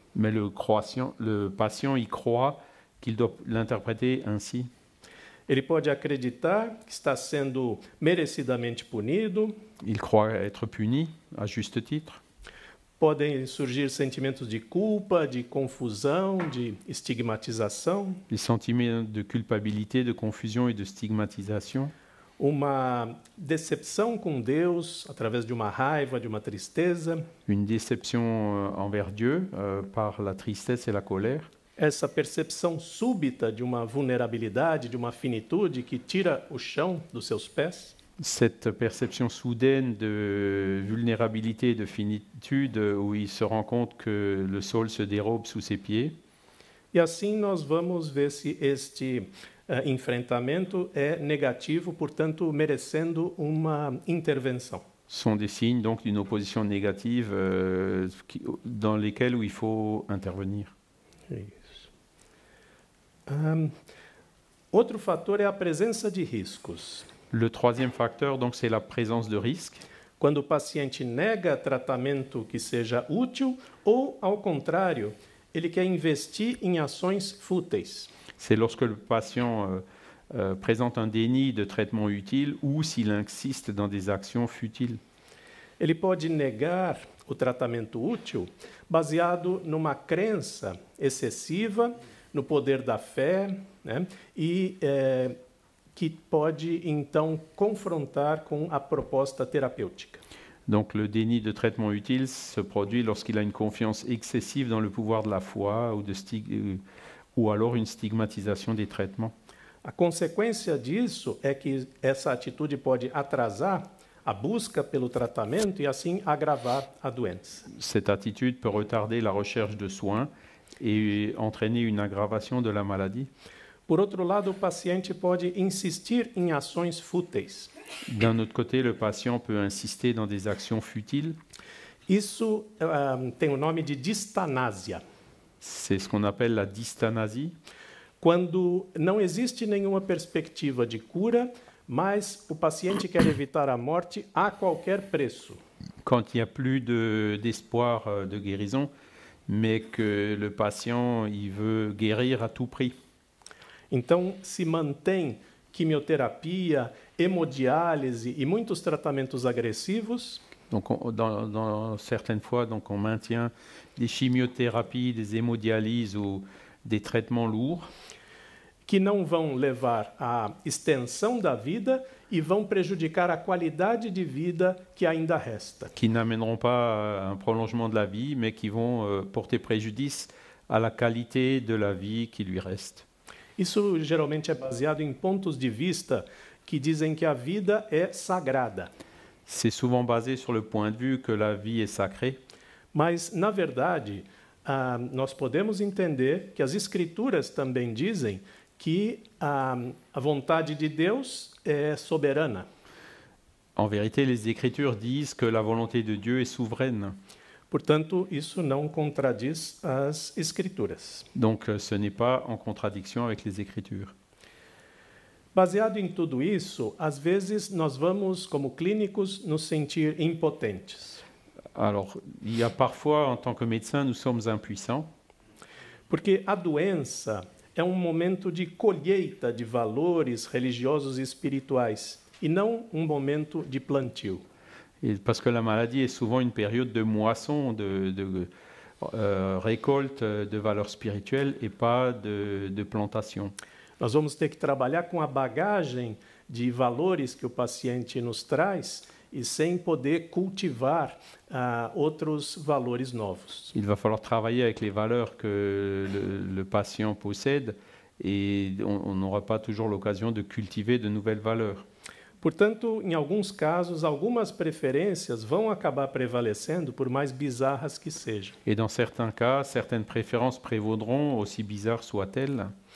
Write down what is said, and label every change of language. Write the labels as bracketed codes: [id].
[fr] Mais le patient y croit qu'il doit l'interpréter ainsi. [pt] Ele pode acreditar que está sendo merecidamente punido. [fr] Il croit être puni à juste titre. [pt] Podem surgir sentimentos de culpa, de confusão, de estigmatização. [fr] Les sentiments de culpabilité, de confusion et de stigmatisation. [pt] Uma decepção com Deus, através de uma raiva, de uma tristeza. [fr] Une déception envers Dieu, par la tristesse et la colère. [pt] Essa percepção súbita de uma vulnerabilidade, de uma finitude que tira o chão dos seus pés. [fr] Cette perception soudaine de vulnérabilité et de finitude où il se rend compte que le sol se dérobe sous ses pieds. [pt] Et assim nós vamos ver se este enfrentamento é negativo, portanto merecendo uma intervenção. [fr] Sont des signes donc d'une opposition négative dans lesquels où il faut intervenir. [pt] Outro fator é a presença de riscos. [fr] Le troisième facteur, donc, c'est la présence de risque. [pt] Quando o paciente nega tratamento que seja útil ou, ao contrário, ele quer investir em ações fúteis. [fr] C'est lorsque le patient présente un déni de traitement utile ou s'il insiste dans des actions futiles. [pt] Ele pode negar o tratamento útil baseado numa crença excessiva no poder da fé, né? E que pode então confrontar com a proposta terapêutica. [fr] Donc le déni de traitement utile se produit lorsqu'il a une confiance excessive dans le pouvoir de la foi ou alors une stigmatisation des traitements. [pt] A consequência disso é que essa atitude pode atrasar a busca pelo tratamento e assim agravar a doença. [fr] Cette attitude peut retarder la recherche de soins et entraîner une aggravation de la maladie. [pt] Por outro lado, o paciente pode insistir em ações fúteis. [fr] D'un autre côté, le patient peut insister dans des actions futiles. [pt] Isso tem o nome de distanásia. [fr] C'est ce qu'on appelle la dystanasie. [pt] Quando não existe nenhuma perspectiva de cura, mas o paciente quer evitar a morte a qualquer preço. [fr] Quand il n'y a plus d'espoir de guérison, mais que le patient il veut guérir à tout prix. [pt] Então, se mantém quimioterapia, hemodiálise e muitos tratamentos agressivos. [fr] Donc, certaines fois, donc, on maintient des chimiothérapies, des hémodialyses ou des traitements lourds. [pt] Que não vão levar à extensão da vida e vão prejudicar a qualidade de vida que ainda resta. [fr] Qui n'amèneront pas un prolongement de la vie, mais qui vont porter préjudice à la qualité de la vie qui lui reste. [pt] Isso geralmente é baseado em pontos de vista que dizem que a vida é sagrada. [fr] C'est souvent basé sur le point de vue que la vie est sacrée. [pt] Mas, na verdade, nós podemos entender que as escrituras também dizem que a vontade de Deus é soberana. [fr] En vérité, les écritures disent que la volonté de Dieu est souveraine. [pt] Portanto, isso não contradiz as escrituras. [fr] Donc, ce n'est pas en contradiction avec les écritures. [pt] Baseado em tudo isso, às vezes nós vamos, como clínicos, nos sentir impotentes. [fr] Alors, il y a parfois, en tant que médecin, nous sommes impuissants. [pt] Porque a doença é momento de colheita de valores religiosos e espirituais, e não momento de plantio. [fr] Et parce que la maladie est souvent une période de moisson, de récolte de valeurs spirituelles et pas de plantation. [pt] Nós vamos ter que trabalhar com a bagagem de valores que o paciente nos traz e sem poder cultivar outros valores novos. [fr] Il va falloir travailler avec les valeurs que le patient possède et on n'aura pas toujours l'occasion de cultiver de nouvelles valeurs. [pt] Portanto, em alguns casos, algumas preferências vão acabar prevalecendo, por mais bizarras que sejam. [fr] Et dans certains cas, certaines préférences prévaudront, aussi bizarre soit-elle.